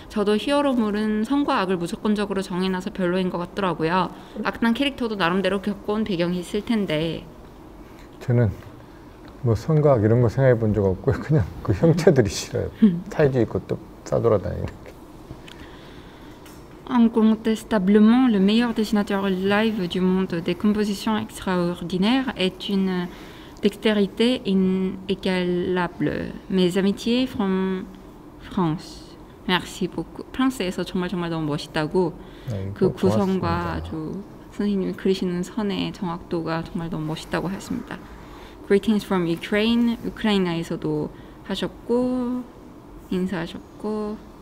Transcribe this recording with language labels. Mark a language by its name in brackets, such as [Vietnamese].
[Korean] 저도 히어로물은 선과 악을 무조건적으로 정해놔서 별로인 것 같더라고요. 악당 캐릭터도 나름대로 겪어온 배경이 있을 텐데. 저는 뭐 선과 악 이런 거 생각해 본 적 없고요. 그냥 그 형체들이 싫어요. 타이즈 입고 또 싸돌아다니는 게. [French] On contestablement le meilleur dessinateur live du monde, des compositions extraordinaires est une dextérité inégalable. Mes amitiés [English] from France. [French] Merci beaucoup. [Korean] 프랑스에서 정말 정말 너무 멋있다고. 그 구성과 고맙습니다. 아주 선생님이 그리시는 선의 정확도가 정말 너무 멋있다고 하셨습니다. [English] greetings from Ukraine. [Korean] 우크라이나에서도 하셨고 인사하셨고.